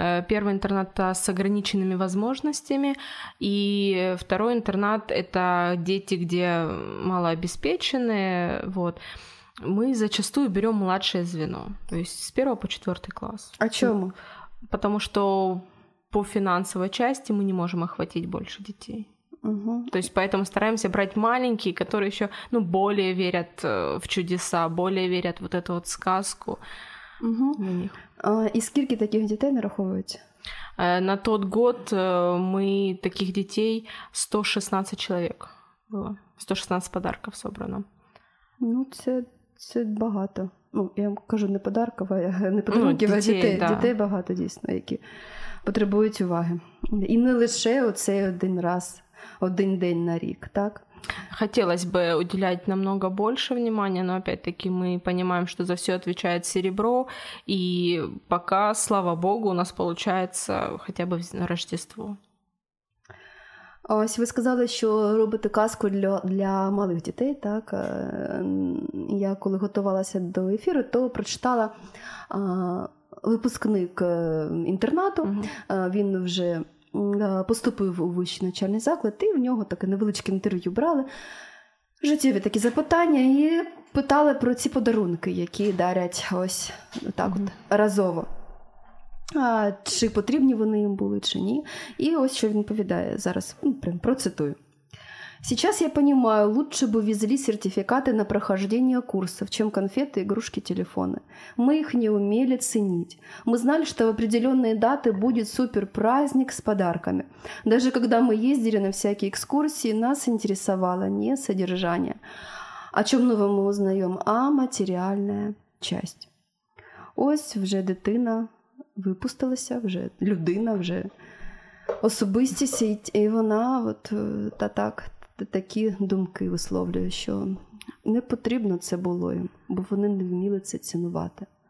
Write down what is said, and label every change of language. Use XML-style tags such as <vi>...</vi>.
<uk>Перший інтернат з ограниченими возможностями, і второй інтернат – це діти, де малообеспечені, вот. Ми зачастую беремо младше звено, тобто з 1 по 4 клас. А чому? Тому що по фінансовій частині ми не можемо охватити більше дітей. Угу.</uk> <ru>То есть поэтому стараемся брать маленькие, которые еще, ну, более верят в чудеса, более верят вот эту вот сказку. Угу. На них. А, и сколько таких детей нараховываете? На тот год мы таких детей 116 человек было. 116 подарков собрано.</ru> <uk>Ну, це багато. Ну, я вам кажу, не подарков, а не подарунків, ну, а</uk> <ru>да.</ru> <uk>Дітей багато, дійсно, які потребують уваги. І не лише оцей один раз. Один день на рік, так?</uk> <ru>Хотелось бы уделять намного больше внимания, но опять-таки мы понимаем, что за все отвечает серебро, и пока, слава богу, у нас получается хотя бы на Рождество.</ru> <uk>Ось, ви сказали, що робите казку для малих дітей, так? Я коли готувалася до ефіру, то прочитала випускник інтернату, він вже поступив у вищий навчальний заклад, і в нього таке невеличке інтерв'ю брали, життєві такі запитання, і питали про ці подарунки, які дарять ось так от разово. А, чи потрібні вони їм були, чи ні. І ось що він відповідає зараз, ну, прям процитую.</uk> <ru>«Сейчас я понимаю, лучше бы везли сертификаты на прохождение курсов, чем конфеты, игрушки, телефоны. Мы их не умели ценить. Мы знали, что в определенные даты будет суперпраздник с подарками. Даже когда мы ездили на всякие экскурсии, нас интересовало не содержание. О чем новом мы узнаем, а материальная часть».</ru> <uk>Ось вже дитина випустилася, вже людина, вже особистість, і вона от та так... Такі думки висловлює, що не потрібно це було їм, бо вони не вміли це цінувати.</uk>